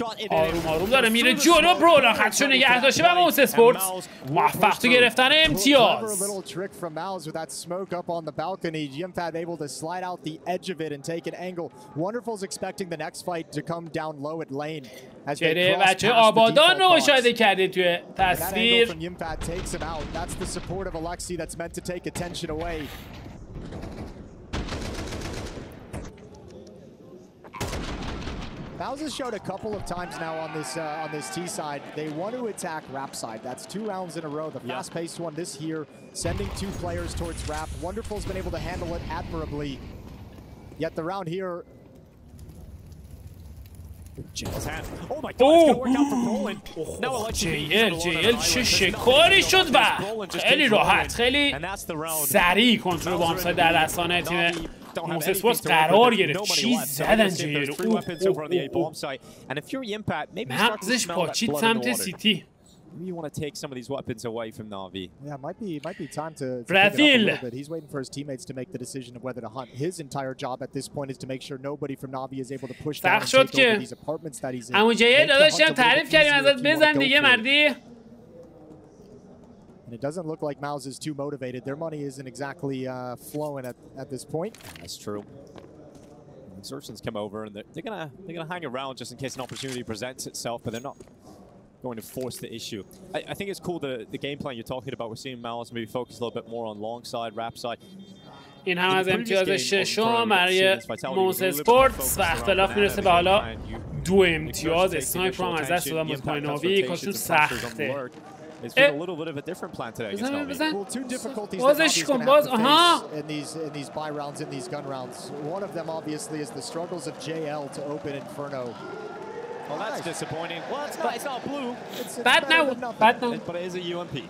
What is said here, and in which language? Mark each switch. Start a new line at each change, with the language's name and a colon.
Persian: آروم آروم داره میره جلو، برولا خطشو نگه داشته و موز اسپورتس موفق تو گرفتن امتیاز.
English: A little trick from MOUZ with that smoke up on the balcony. GMFAB able to slide out the edge of it and take an angle. Wonderful's expecting the next fight to come down low at lane. As they cross past
Persian: آبادان رو مشاهده کردید توی تصویر.
English: That angle from GMFAB takes him out. That's the support of Alexi that's meant to take attention away. MOUZ has showed a couple of times now on this T side. They want to attack Rap side. That's two rounds in a row. The fast-paced one this year, sending two players towards Rap. Wonderful's been able to handle it admirably. Yet the round here.
Persian: JL چه شکاری شد و خیلی راحت، خیلی سریع کنترل با همسای در دستانه تیمه موز اسپورتس قرار گرفت. چی زدن جیل رو؟ مغزش پاچید سمت سیتی.
English: You want to take some of these weapons away from NaVi. Yeah, might be time to Brazil. But he's waiting for his teammates to make the decision of whether to hunt. His entire job at this point is to make sure nobody from NaVi is able to push down and take over these apartments that he's in.
Persian: عمو جیل داداش هم تعریف کردیم ازت، بزن دیگه مردی.
English: And it doesn't look like MOUZ is too motivated. Their money isn't exactly flowing at this point. That's true. Exertions come over and they're going to hang around just in case an opportunity presents itself, but they're not going to force the issue. I think it's cool the game plan you're talking about. We're seeing MOUZ maybe focus a little bit more on long side, rap side.
Persian: این هم از امتیاز ششم برای موز اسپورتس و اختلاف میرسه به حالا دو امتیاز. اسنایپ رو هم از دست دادم از پایین ناوی، کارشون سخته.
English: It's been a little bit of a different plan today against NaVi. Well, two difficulties that NaVi's gonna have to face in these buy rounds, in these gun rounds. One of them obviously is the struggles of JL to open Inferno. Well, that's disappointing. Well, it's not blue. It's bad now. But it is a UMP.